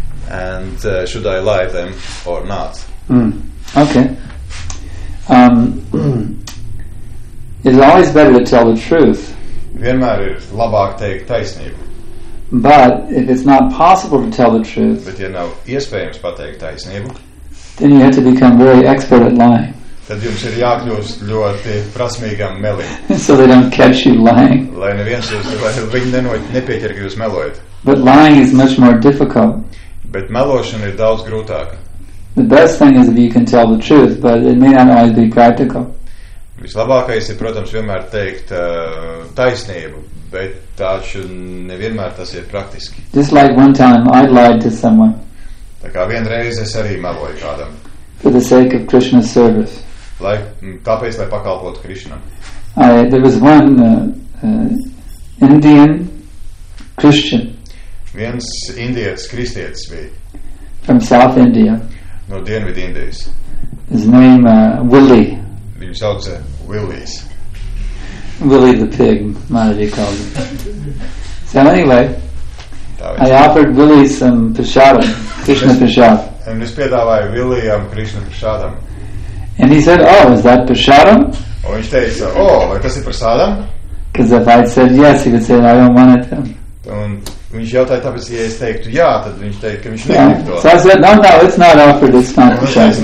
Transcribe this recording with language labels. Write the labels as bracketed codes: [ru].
[en] And should I lie them or not? Mm. Okay. It's always better to tell the truth. [lv] Vienmēr ir labāk teikt taisnību. [en] But if it's not possible to tell the truth, [lv] bet ja nav iespējams pateikt taisnību, [en] then you have to become very expert at lying. [lv] Tad jums ir jākļūst ļoti prasmīgam melim. [en] So they don't catch you lying. [lv] Lai neviens jūs, viņi nepieķer, ka jūs melojat. [en] But lying is much more difficult. [lv] Bet melošana ir daudz grūtāka. [en] The best thing is if you can tell the truth, but it may not always be practical. [lv] Vislabākais ir, protams, vienmēr teikt taisnību, bet taču nevienmēr tas ir praktiski. [en] Just like one time I lied to someone. [lv] Tā kā vienreiz es arī meloju kādam. [en] For the sake of Krishna's service. [lv] Lai, tāpēc, lai pakalpotu Krishnam. [en] There was one Indian Christian. [lv] Viens indietis, kristietis bija. [en] From South India. [lv] No Dienvidu Indijas. [en] His name Willie. [lv] Viņu sauc Willies. [en] Willie the pig, Manavi called him. So anyway, I offered Willie some prasadam, Krishna prasadam. [lv] Un es piedāvāju Willijam Krishna prasadam. [en] And he said, oh, is that prasadam? [lv] Un viņš teica, oh, vai tas ir prasadam? [en] Because if I said yes, he would say, I don't want it then. [lv] Un viņš jautāja, tāpēc, ja es teiktu jā, tad viņš teikt, ka viņš negrib to. [en] So I said, no, it's not offered, it's not prasadam.